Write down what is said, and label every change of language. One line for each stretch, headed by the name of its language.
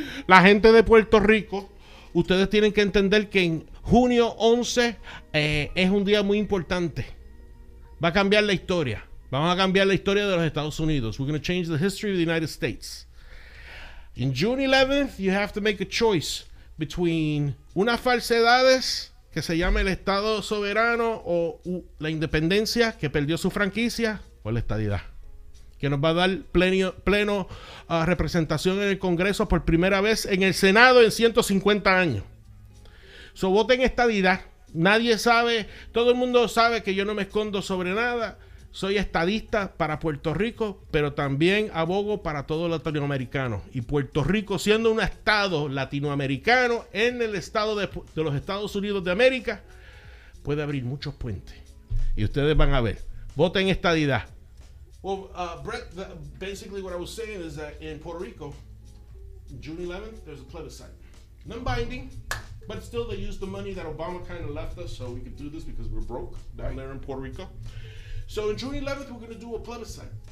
Spanish: La gente de Puerto Rico, ustedes tienen que entender que en junio 11 es un día muy importante. Va a cambiar la historia. Vamos a cambiar la historia de los Estados Unidos.
English: We're going to change the history of the United States. In June 11th, you have to make a choice between
Spanish: una falsedades que se llama el Estado Soberano o la independencia que perdió su franquicia o la estadidad que nos va a dar pleno representación en el Congreso por primera vez en el Senado en 150 años. So voten estadidad. Nadie sabe, todo el mundo sabe que yo no me escondo sobre nada. Soy estadista para Puerto Rico, pero también abogo para todo latinoamericano. Y Puerto Rico, siendo un estado latinoamericano en el estado de los Estados Unidos de América, puede abrir muchos puentes. Y ustedes van a ver. Voten estadidad.
English: Well, Brett, basically what I was saying is that in Puerto Rico, June 11th, there's a plebiscite. Non-binding, but still they use the money that Obama kind of left us so we could do this because we're broke down there in Puerto Rico. So on June 11th, we're going to do a plebiscite.